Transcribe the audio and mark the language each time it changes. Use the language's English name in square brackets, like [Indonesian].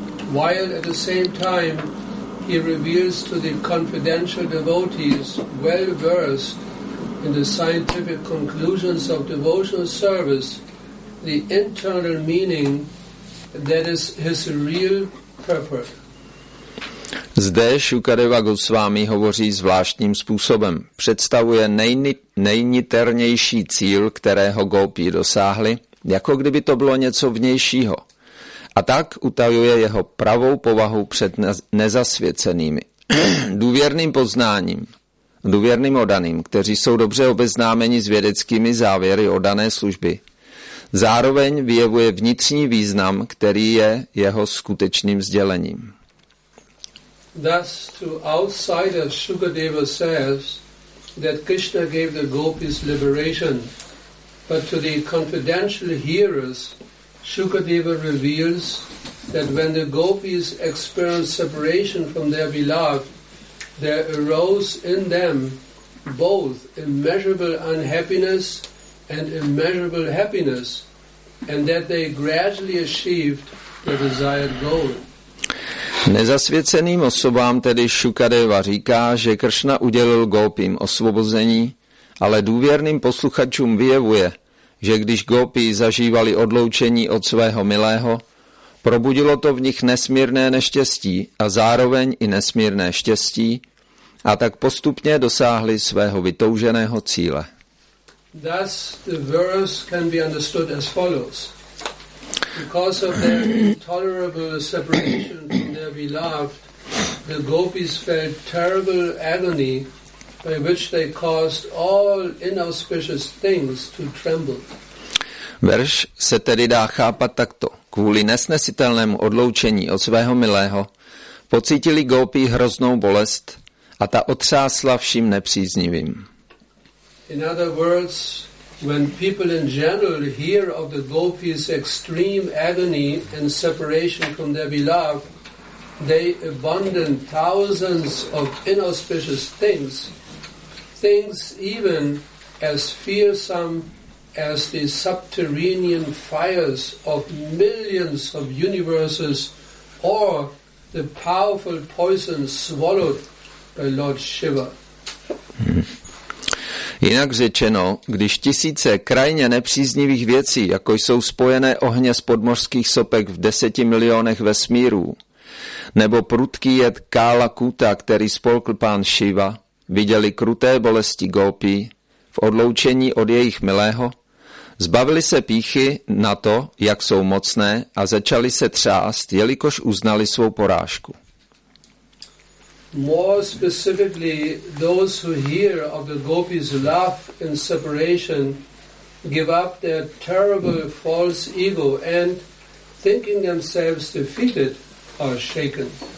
[English] while at the same time he reveals to the confidential devotees well-versed in the scientific conclusions of devotional service the internal meaning that is his real purport. [Czech] Zde Shukadeva Goswami hovoří zvláštním způsobem. Představuje nejniternější cíl, kterého gopí dosáhli, jako kdyby to bylo něco vnějšího. A tak utajuje jeho pravou povahu před nezasvěcenými. Důvěrným poznáním, důvěrným oddaným, kteří jsou dobře obeznámeni s vědeckými závěry oddané služby, zároveň vyjevuje vnitřní význam, který je jeho skutečným sdělením. [English] Thus, to outsiders, Shukadeva says that Krishna gave the gopis liberation, but to the confidential hearers, Shukadeva reveals that when the gopis experienced separation from their beloved, there arose in them both immeasurable unhappiness and immeasurable happiness, and that they gradually achieved the desired goal. [Czech] Nezasvěceným osobám tedy Shukadeva říká, že Kršna udělil gopím osvobození, ale důvěrným posluchačům vyjevuje, že když gopí zažívali odloučení od svého milého, Probudilo to v nich nesmírné neštěstí a zároveň i nesmírné štěstí, a tak postupně dosáhli svého vytouženého cíle. [English] Thus the verse can be understood as follows. Because of their intolerable separation from their beloved, the gopis felt terrible agony by which they caused all inauspicious things to tremble. [Czech] Verš se tedy dá chápat takto. Kvůli nesnesitelnému odloučení od svého milého pocítili gopi hroznou bolest a ta otřásla vším nepříznivým. [English] In other words, when people in general hear of the gopis' extreme agony and separation from their beloved, they abandon thousands of inauspicious things, things even as fearsome as the subterranean fires of millions of universes or the powerful poison swallowed by Lord Shiva. [Czech] Jinak řečeno, když tisíce krajně nepříznivých věcí, jako jsou spojené ohně z podmořských sopek v 10 milionech vesmírů, nebo prudký jed Kála Kuta, který spolkl pán Shiva, viděli kruté bolesti gopí v odloučení od jejich milého, zbavili se pýchy na to, jak jsou mocné, a začali se třást, jelikož uznali svou porážku. [English] More specifically, those who hear of the gopis' love and separation give up their terrible false ego and, thinking themselves defeated, are shaken.